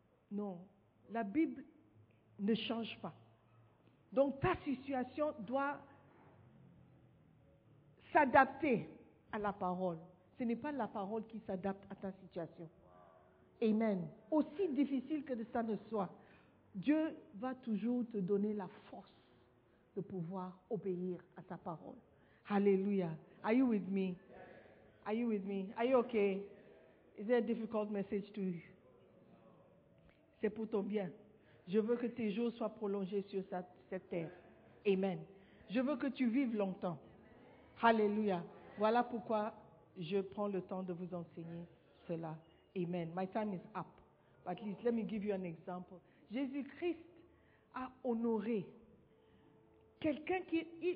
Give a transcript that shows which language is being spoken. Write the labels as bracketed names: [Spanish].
[French] Non, la Bible ne change pas. Donc ta situation doit s'adapter à la parole. Ce n'est pas la parole qui s'adapte à ta situation. Amen. Aussi difficile que ça ne soit, Dieu va toujours te donner la force de pouvoir obéir à sa parole. [English] Alléluia. Are you with me? Are you with me? Are you okay? Is there a difficult message to you? [French] C'est pour ton bien. Je veux que tes jours soient prolongés sur cette terre. Amen. Je veux que tu vives longtemps. Alléluia. Voilà pourquoi je prends le temps de vous enseigner cela. [English] Amen. My time is up. But please, let me give you an example. [French] Jésus-Christ a honoré quelqu'un qui...